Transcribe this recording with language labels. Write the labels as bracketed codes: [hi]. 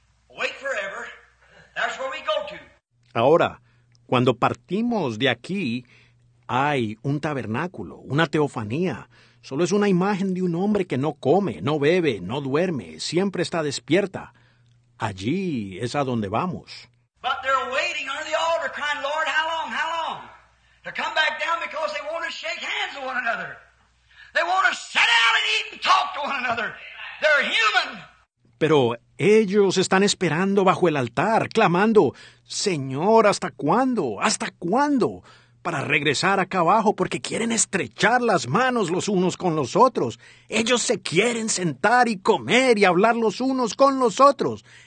[en] Awake forever. That's where we go to. [es] Ahora, cuando partimos de aquí, hay un tabernáculo, una teofanía. Solo es una imagen de un hombre que no come, no bebe, no duerme, siempre está despierta. Allí es a donde vamos. [en] But they're waiting under the altar, crying, Lord, how long, how long? To come back down because they want to shake hands with one another. They want to sit down and eat and talk to one another. They're human. [es] Pero ellos están esperando bajo el altar, clamando, Señor, ¿hasta cuándo? ¿Hasta cuándo? Para regresar acá abajo porque quieren estrechar las manos los unos con los otros. Ellos se quieren sentar y comer y hablar los unos con los otros.